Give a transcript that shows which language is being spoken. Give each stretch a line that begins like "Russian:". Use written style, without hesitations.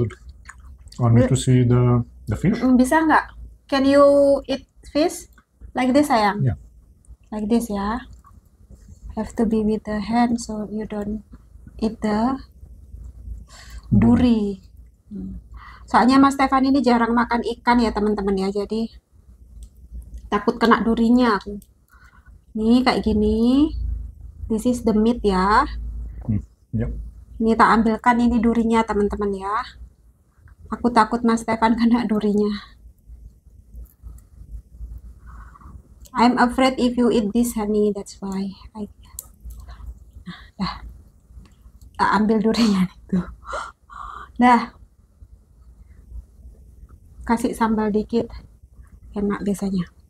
English: Good. Want me to see the fish?
Indonesian: Bisa nggak?
English: Can you eat fish like this, sayang? Yeah. Like this ya. Have to be with the hand so you don't eat the duri.
Indonesian: Soalnya Mas Stefan ini jarang makan ikan ya teman-teman ya, jadi takut kena durinya. Nih kayak gini.
English: This is the meat ya. Yep.
Indonesian: Ini tak ambilkan ini durinya teman-teman ya. Aku takut Mas Stefan kena durinya.
English: I'm afraid if you eat this honey, that's why I
Indonesian: Nah, tak ambil durinya itu. Nah, kasih sambal dikit, enak biasanya.